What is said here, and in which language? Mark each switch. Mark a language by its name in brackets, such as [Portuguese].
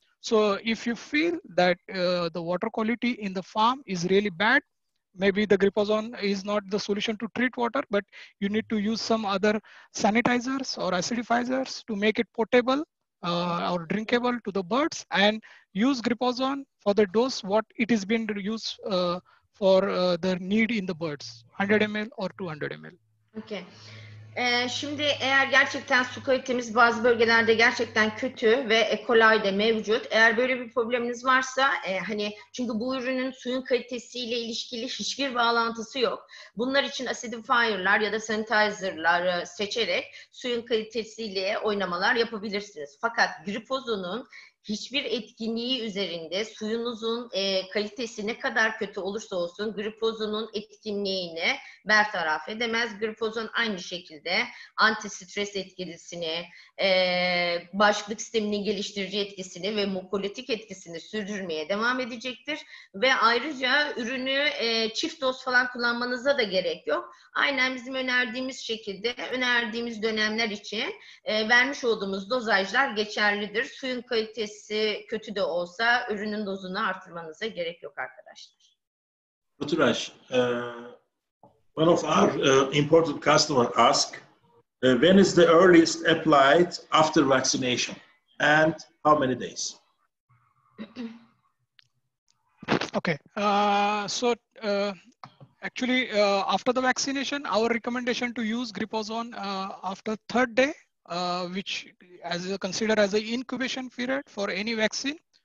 [English] So if you feel that the water quality in the farm is really bad, maybe the gripozon is not the solution to treat water, but you need to use some other sanitizers or acidifiers to make it potable or drinkable to the birds, and use gripozon for the dose what it is being used for the need in the birds, 100 ml or 200 ml. Okay. [Turkish] Şimdi eğer gerçekten su kalitemiz bazı bölgelerde gerçekten kötü ve E. coli de mevcut, eğer böyle bir probleminiz varsa, hani çünkü bu ürünün suyun kalitesiyle ilişkili hiçbir bağlantısı yok. Bunlar için acidifier'lar ya da sanitizer'lar seçerek suyun kalitesiyle oynamalar yapabilirsiniz. Fakat gripozonun hiçbir etkinliği üzerinde suyunuzun kalitesi ne kadar kötü olursa olsun gripozonun etkinliğini bertaraf edemez. Gripozon aynı şekilde antistres etkisini, bağışıklık sisteminin geliştirici etkisini ve mukolitik etkisini sürdürmeye devam edecektir. Ve ayrıca ürünü çift doz falan kullanmanıza da gerek yok. Aynen bizim önerdiğimiz şekilde, önerdiğimiz dönemler için vermiş olduğumuz dozajlar geçerlidir. Suyun kalitesi kötü de olsa ürünün dozunu artırmanıza gerek yok arkadaşlar. [English] Ruturaj, one of our important customer ask, when is the earliest applied after vaccination and how many days? Okay, so actually after the vaccination, our recommendation to use gripozone after third day, which as considered as an incubation period for any vaccine.